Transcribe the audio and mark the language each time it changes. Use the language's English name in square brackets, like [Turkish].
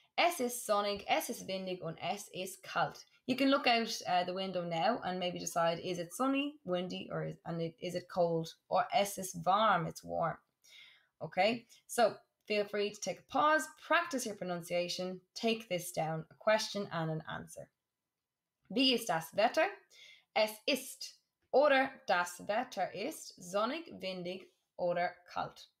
[German] Es ist sonnig, es ist windig und es ist kalt. [English] You can look out the window now and maybe decide, is it sunny, windy, or is it cold? Or [German] es ist warm, [English] it's warm. Okay, so... Feel free to take a pause, practice your pronunciation, take this down, a question and an answer. [German] Wie ist das Wetter? Es ist. Oder das Wetter ist sonnig, windig oder kalt.